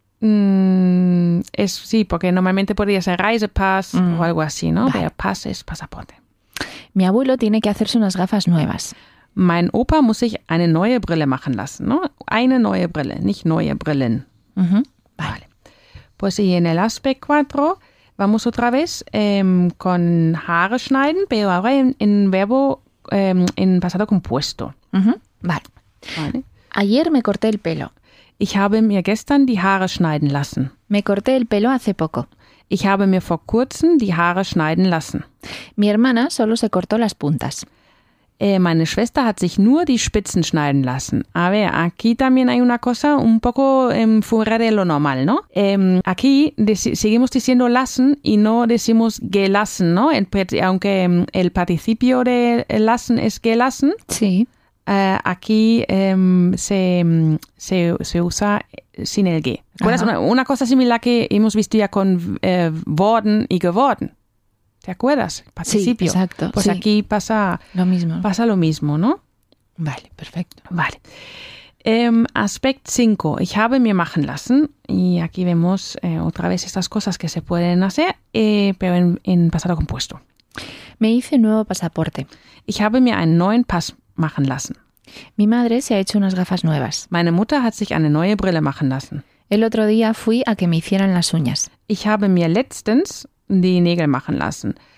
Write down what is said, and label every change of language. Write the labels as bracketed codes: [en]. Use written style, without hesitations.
[es] Es sí, porque normalmente podría ser Reisepass o algo así, ¿no? Vale. Pero Pass es pasaporte. Mi abuelo tiene que hacerse unas gafas nuevas. [de] Mein Opa muss sich eine neue Brille machen lassen, ¿no? Eine neue Brille, nicht neue Brillen. [es] Uh-huh. Vale. Vale. Pues y en el aspect 4 vamos otra vez con Haare schneiden, pero ahora en verbo en pasado compuesto. Uh-huh. Vale. Vale. Ayer me corté el pelo. [de] Ich habe mir gestern die Haare schneiden lassen. [es] Me corté el pelo hace poco. [de] Ich habe mir vor kurzem die Haare schneiden lassen. [es] Mi hermana solo se cortó las puntas. [de] Meine Schwester hat sich nur die Spitzen schneiden lassen. [es] A ver, aquí también hay una cosa un poco fuera de lo normal, ¿no? Aquí seguimos diciendo lassen y no decimos gelassen, ¿no? Aunque el participio de lassen es gelassen. Sí. Aquí se usa sin el G. ¿Recuerdas una cosa similar que hemos visto ya con worden y geworden? ¿Te acuerdas? Participio. Sí, exacto. Pues sí. Aquí pasa lo mismo, ¿no? Vale, perfecto. Vale. Aspect 5. [de] Ich habe mir machen lassen. [es] Y aquí vemos otra vez estas cosas que se pueden hacer, pero en pasado compuesto. Me hice nuevo pasaporte. [de] Ich habe mir einen neuen Pass machen lassen. [es] Mi madre se ha hecho unas gafas nuevas. [de] Meine Mutter hat sich eine neue Brille machen lassen. [es] El otro día fui a que me hicieran las uñas. [de] Ich habe mir letztens die Nägel machen lassen.